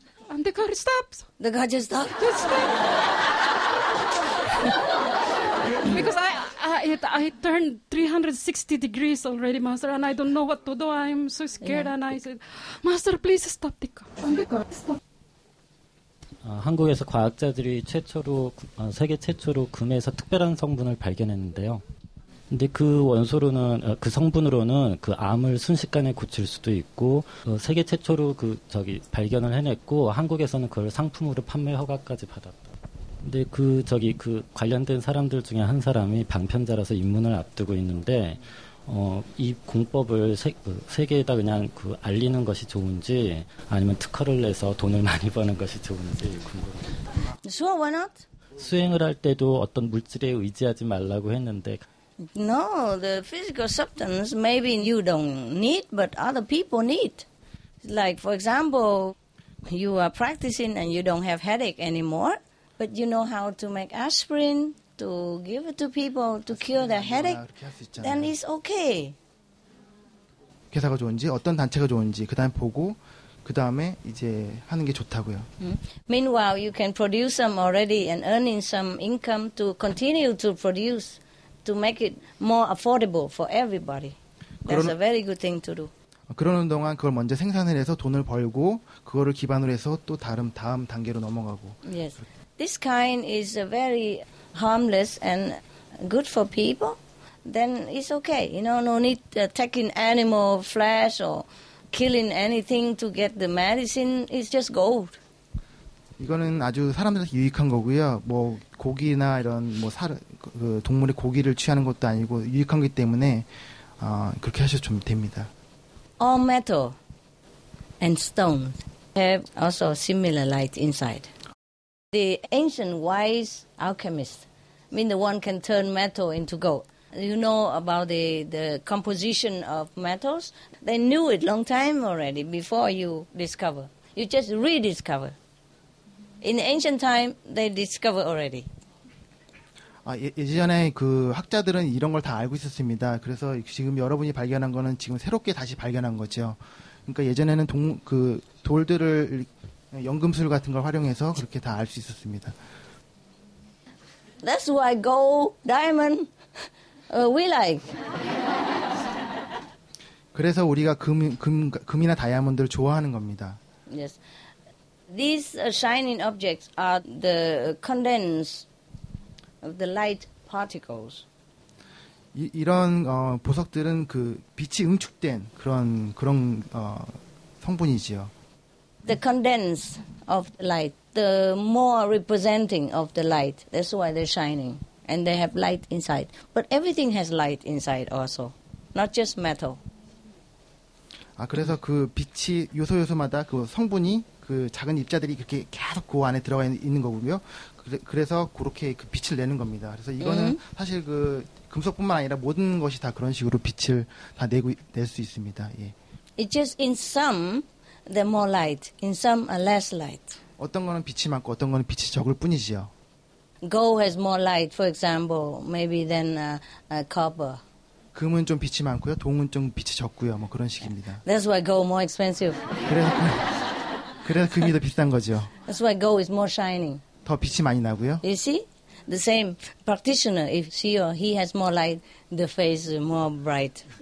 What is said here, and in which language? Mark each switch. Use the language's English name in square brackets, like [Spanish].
[English] And the car stops. The car just stopped? Just stopped. Because I turned 360 degrees already, Master, and I don't know what to do. I'm so scared, and I said, Master, please stop the car. And the car stopped. [Korean] 한국에서 과학자들이 최초로 세계 최초로 금에서 특별한 성분을 발견했는데요. 근데 그 원소로는 그 성분으로는 그 암을 순식간에 고칠 수도 있고 세계 최초로 그 저기 발견을 해냈고 한국에서는 그걸 상품으로 판매 허가까지 받았다. 근데 그 저기 그 관련된 사람들 중에 한 사람이 방편자라서 입문을 앞두고 있는데 이 공법을 세계에다 그냥 그 알리는 것이 좋은지 아니면 특허를 내서 돈을 많이 버는 것이 좋은지 궁금해. [English] Sure, why not? [Korean] 수행을 할 때도 어떤 물질에 의지하지 말라고 했는데 [English] No, the physical substance, maybe you don't need, but other people need. Like, for example, you are practicing and you don't have headache anymore, but you know how to make aspirin, to give it to people, to cure their headache, then it's okay. [Korean] 회사가 좋은지, 어떤 단체가 좋은지, 그 다음에 보고, 그 다음에 이제 하는 게 좋다고요. [English] Meanwhile, you can produce some already and earning some income to continue to produce to make it more affordable for everybody. That's a very good thing to do. [Korean] 그러는 동안 그걸 먼저 생산을 해서 돈을 벌고 그거를 기반으로 해서 또 다음 단계로 넘어가고. [English] Yes. This kind is very harmless and good for people. Then it's okay. You know, no need taking animal flesh or killing anything to get the medicine. It's just gold. [Korean] 이거는 아주 사람들한테 유익한 거고요. 뭐 고기나 이런 뭐 살 그 동물의 고기를 취하는 것도 아니고 유익한 게 때문에 그렇게 하셔도 됩니다. [English] All metal and stone have also similar light inside. The ancient wise alchemist, I mean the one can turn metal into gold. You know about the composition of metals? They knew it long time already before you discover. You just rediscover. In ancient time, they discover already. [Korean] 예전에 그 학자들은 이런 걸 다 알고 있었습니다. 그래서 지금 여러분이 발견한 거는 지금 새롭게 다시 발견한 거죠. 그러니까 예전에는 그 돌들을 연금술 같은 걸 활용해서 그렇게 다 알 수 있었습니다. [English] That's why gold, diamond, we like. [Korean] 그래서 우리가 금이나 다이아몬드를 좋아하는 겁니다. [English] Yes. These shining objects are the condensed of the light particles. [Korean] 이런 보석들은 그 빛이 응축된 그런 성분이지요. [English] The condensed of the light, the more representing of the light. That's why they're shining and they have light inside. But everything has light inside also, not just metal. [Korean] 아 그래서 그 빛이 요소요소마다 그 성분이 그 작은 입자들이 그렇게 계속 그 안에 들어가 있는 거고요. 그래서 그렇게 그 빛을 내는 겁니다. 그래서 이거는 사실 그 금속뿐만 아니라 모든 것이 다 그런 식으로 빛을 다 낼 수 있습니다. 예. [English] It's just in some the more light, in some a less light. [Korean] 어떤 거는 빛이 많고 어떤 거는 빛이 적을 뿐이지요. [English] Gold has more light, for example, maybe than copper. [Korean] 금은 좀 빛이 많고요. 동은 좀 빛이 적고요. 뭐 그런 식입니다. [English] That's why gold more expensive. [Korean] 그래서 그래서 금이 더 비싼 거죠. [English] That's why gold is more shining. [Korean] 더 빛이 많이 나고요. [English] You see? The same practitioner, if she or he has more light, the face is more bright.